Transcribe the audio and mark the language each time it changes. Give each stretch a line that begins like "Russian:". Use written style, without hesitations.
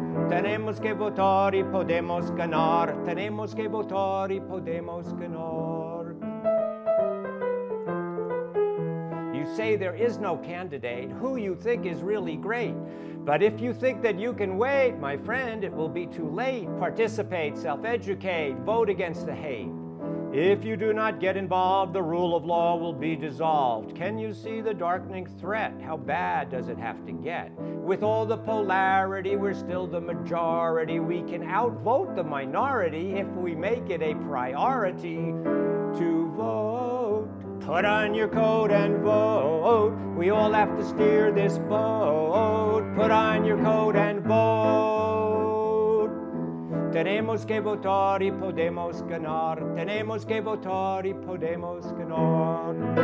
Spanish: Tenemos que votar y podemos ganar. Tenemos que votar y podemos ganar.
English: You say there is no candidate who you think is really great. But if you think that you can wait, my friend, it will be too late. Participate, self-educate, vote against the hate. If you do not get involved, the rule of law will be dissolved. Can you see the darkening threat? How bad does it have to get? With all the polarity, we're still the majority. We can outvote the minority if we make it a priority to vote. Put on your coat and vote. We all have to steer this boat. Put on your coat and vote.
Spanish: Tenemos que votar y podemos ganar. Tenemos que votar y podemos ganar.